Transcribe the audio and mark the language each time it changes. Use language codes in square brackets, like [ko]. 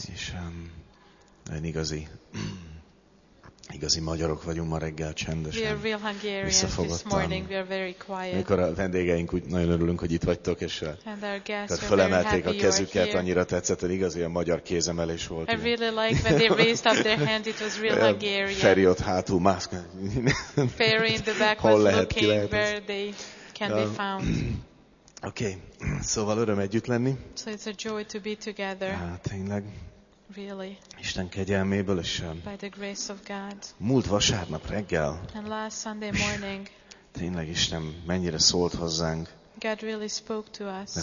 [hu] És olyan igazi magyarok vagyunk ma reggel, csendesen. [en] We are real Hungarians this morning. We are very quiet. [hu] Mikor a vendégeink úgy nagyon örülünk, hogy itt vagytok, és akkor fölemelték a kezüket, annyira tetszett, hogy igazi a magyar kézemelés volt. [en] I really like when they raised up their hand. It was real Hungarian. [hu] Feri ott hátul, mászk. [en] Feri in the back was looking where they can be found. Okay. [hu] Szóval öröm együtt lenni. [en] So it's a joy to be together. [hu] Tényleg. [en] Really. [hu] Isten kegyelméből is. [en] By the grace of God. [hu] Múlt vasárnap reggel. [en] And last Sunday morning. [hu] Tényleg Isten mennyire szólt hozzánk. [en] God really spoke to us.